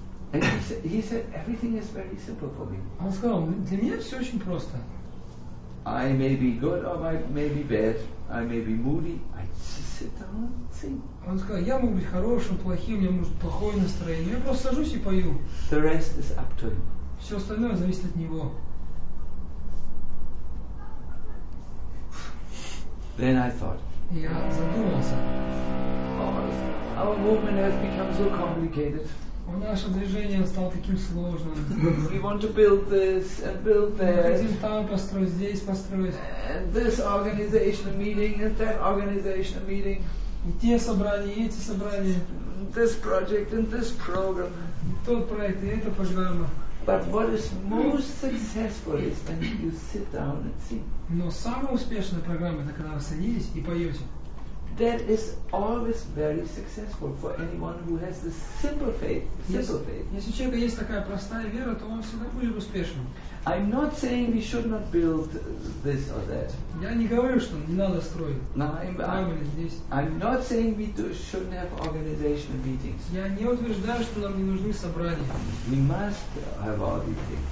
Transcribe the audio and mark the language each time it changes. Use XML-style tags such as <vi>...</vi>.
<en>And he said everything is very simple for me.</en> <ru>Он сказал, для меня все очень просто.</ru> <en>I may be good or I may be bad. I may be moody. I just sit down and sing.</en> <ru>Он сказал, я могу быть хорошим, плохим, у меня может быть плохое настроение. Я просто сажусь и пою.</ru> <en>The rest is up to him.</en> <ru>Все остальное зависит от него.</ru> <en>Then I thought.</en> <ru>Я задумался.</ru> <en>Oh, our movement has become so complicated.</en> <ru>Наше движение стало таким сложным.</ru> <en>We want to build this and build that.</en> <ru>Мы хотим там построить, здесь построить.</ru> <en>And this organization meeting and that organization meeting.</en> <ru>И те собрания, и эти собрания.</ru> <en>This project and this program.</en> <ru>И тот проект, и эта программа.</ru> <en>But what is most successful is when you sit down and sing.</en> <ru>Но самая успешная программа это когда вы садитесь и поете.</ru> <en>That is always very successful for anyone who has this simple faith.</en> <ru>Если у человека есть такая простая вера, то он всегда будет успешным.</ru> <en>I'm not saying we should not build this or that.</en> <ru>Я не говорю, что не надо строить.</ru> <en>I'm not saying we shouldn't have organizational meetings.</en> <ru>Я не утверждаю, что нам не нужны собрания.</ru> <en>We must have all these things.</en>